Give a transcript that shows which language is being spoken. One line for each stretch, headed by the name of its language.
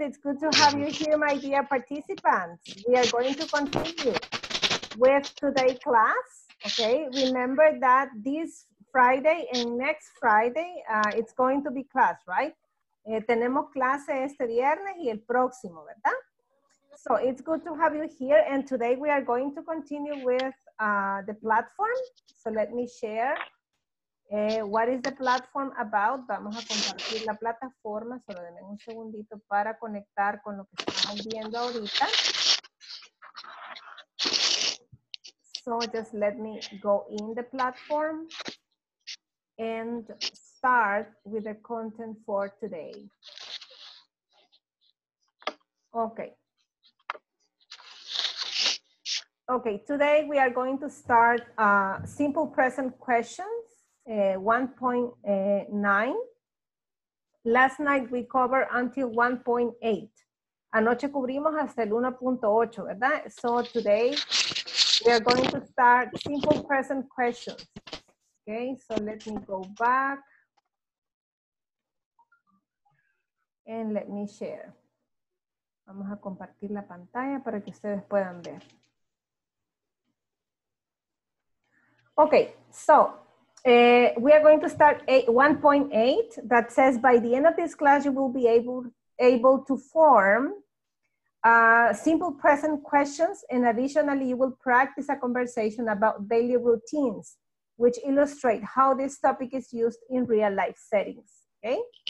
English: It's good to have you here, my dear participants. We are going to continue with today's class. Okay, remember that this Friday and next Friday, it's going to be class, right?
Spanish: Tenemos clase este viernes y el próximo, ¿verdad?
English: So it's good to have you here, and today we are going to continue with the platform. So let me share what is the platform about.
Spanish: Vamos a compartir la plataforma. Solo denme un segundito para conectar con lo que estamos viendo ahorita.
English: So just let me go in the platform and start with the content for today. Okay. Okay, today we are going to start simple present questions, 1.9. Last night we covered until 1.8.
Spanish: Anoche cubrimos hasta el 1.8, ¿verdad?
English: So today we are going to start simple present questions. Okay, so let me go back. And let me share.
Spanish: Vamos a compartir la pantalla para que ustedes puedan ver.
English: Okay, so we are going to start 1.8 that says by the end of this class, you will be able to form simple present questions, and additionally, you will practice a conversation about daily routines, which illustrate how this topic is used in real life settings, okay?